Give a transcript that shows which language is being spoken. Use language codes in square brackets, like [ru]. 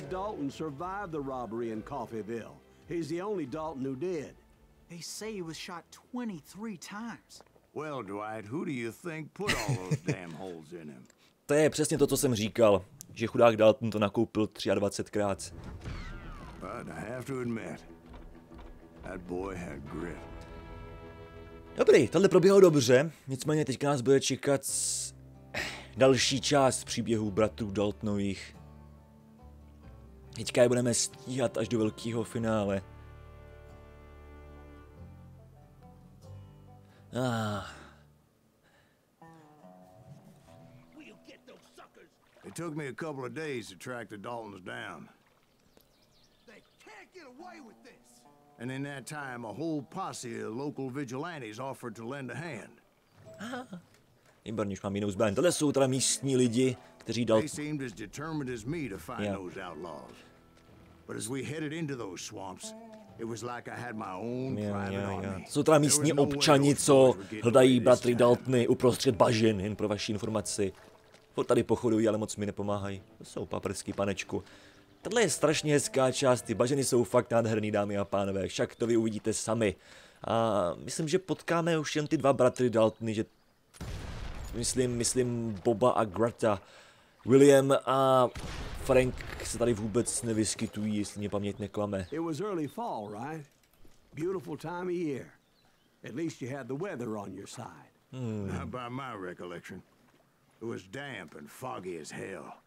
[en] Dalton survived the robbery in Coffeyville. He's the only Dalton who did. They say he was shot 23 times. Well, Dwight, who do you think put all those damn holes in him? [cs] To je přesně to, co jsem říkal, že chudák Dalton to nakoupil 23krát. [en] But I have to admit, that boy had grit. [cs] Dobrý, tohle proběhlo dobře, nicméně teď nás bude čekat další část příběhů bratrů Daltonových. Teďka je budeme stíhat až do velkého finále. [en] It took me a couple of days to track the Daltons down. They can't get away with this. And in that time, a whole posse of local vigilantes offered to lend a hand. [cs] Imbarniš mám jinou zbraň. Tohle jsou teda místní lidi, kteří dal. [en] They seemed as determined as me to find those outlaws. But as we headed into those swamps, it was like I had my own private army. [cs] Jsou teda místní občani, co hledají bratry Daltony uprostřed bažin, jen pro vaši informaci. Tady pochodují, ale moc mi nepomáhají. To jsou paprsky, panečku. Tohle je strašně hezká část, ty bažiny jsou fakt nádherný, dámy a pánové, však to vy uvidíte sami. A myslím, že potkáme už jen ty dva bratry Daltony, že... Myslím Boba a Greta. William a Frank se tady vůbec nevyskytují, jestli mě paměť neklame. [en] It was early fall, right? Beautiful time of year. At least you had the weather on your side. By my recollection. It was damp and foggy as hell.